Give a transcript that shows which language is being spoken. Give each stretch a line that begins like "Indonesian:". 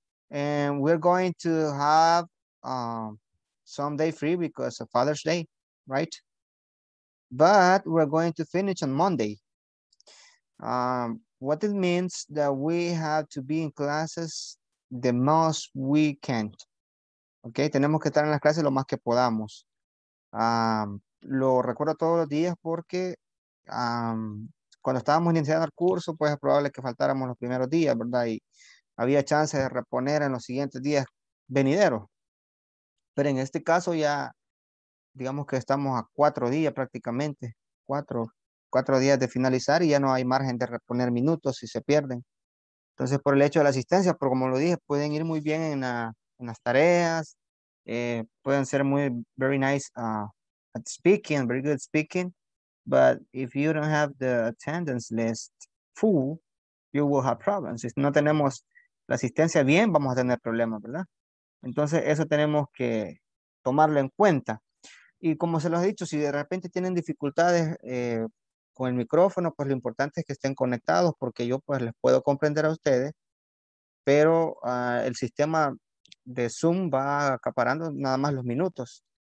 English: And we're going to have some day free because of Father's Day, right? But we're going to finish on Monday. What it means that we have to be in classes the most we can.
Spanish: Okay, tenemos que estar en las clases lo más que podamos. Lo recuerdo todos los días porque cuando estábamos iniciando el curso, pues es probable que faltáramos los primeros días, ¿verdad? Y había chance de reponer en los siguientes días venideros. Pero en este caso ya, digamos que estamos a 4 días prácticamente, 4 días de finalizar y ya no hay margen de reponer minutos si se pierden. Entonces, por el hecho de la asistencia, por como lo dije, pueden ir muy bien en las tareas, pueden ser muy,
English: very nice at speaking, very good speaking. But if you don't have the attendance list full, you will have problems.
Spanish: Si no tenemos la asistencia bien, vamos a tener problemas, ¿verdad? Entonces, eso tenemos que tomarlo en cuenta. Y como se los he dicho, si de repente tienen dificultades con el micrófono, pues lo importante es que estén conectados porque yo pues les puedo comprender a ustedes, pero el sistema de Zoom va acaparando nada más los minutos.